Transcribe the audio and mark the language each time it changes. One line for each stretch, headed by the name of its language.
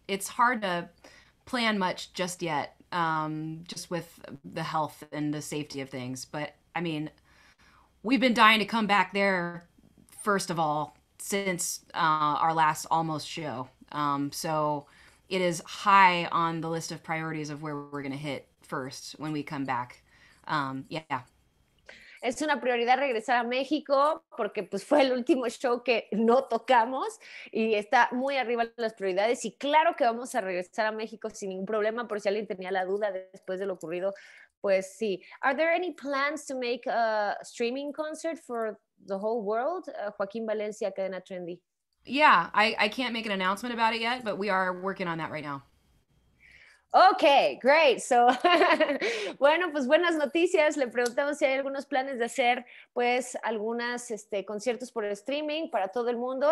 English: It's hard to plan much just yet, just with the health and the safety of things. But I mean, we've been dying to come back there, first of all, since our last Almost show. So it is high on the list of priorities of where we're going to hit first when we come back. Yeah.
Spanish: Es una prioridad regresar a México porque pues fue el último show que no tocamos y está muy arriba de las prioridades y claro que vamos a regresar a México sin ningún problema, por si alguien tenía la duda después de lo ocurrido, pues sí.
English: Are there any plans to make a streaming concert for the whole world? Joaquín Valencia, Cadena Trendy. Yeah, I can't make an announcement about it yet, but we are working on that right now. Okay, great. So,
Spanish: bueno, pues buenas noticias. Le preguntamos si hay algunos planes de hacer, pues, algunas conciertos por streaming para todo el mundo.